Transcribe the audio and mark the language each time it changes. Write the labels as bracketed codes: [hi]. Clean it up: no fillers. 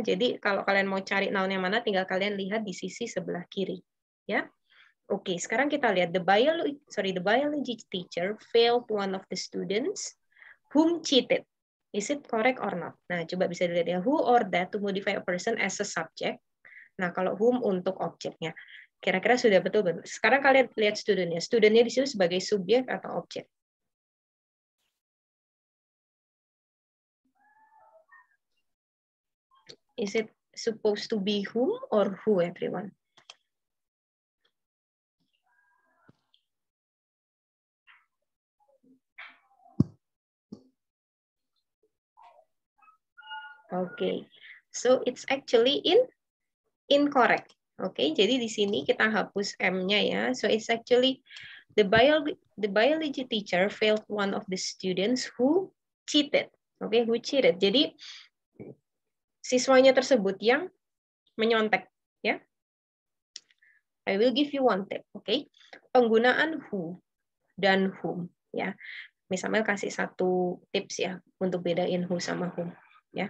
[id] Jadi kalau kalian mau cari noun yang mana, tinggal kalian lihat di sisi sebelah kiri ya. Oke, sekarang kita lihat [en] the biology teacher failed one of the students whom cheated. Is it correct or not? [id] Nah, coba bisa dilihat ya, [en] who or that to modify a person as a subject. [id] Nah, kalau whom untuk objeknya. Kira-kira sudah betul belum? Sekarang kalian lihat student-nya. Student-nya di sini sebagai subjek atau objek? [en] Is it supposed to be whom or who, everyone? Okay. So it's actually incorrect. Okay, [id] jadi di sini kita hapus M-nya ya. [en] So it's actually the biology teacher failed one of the students who cheated. Okay, who cheated. [id] Jadi siswanya tersebut yang menyontek, ya. [en] Yeah. I will give you one tip, okay? [id] Penggunaan who dan whom, ya. Yeah. Misalnya kasih satu tips ya untuk bedain who sama whom, ya.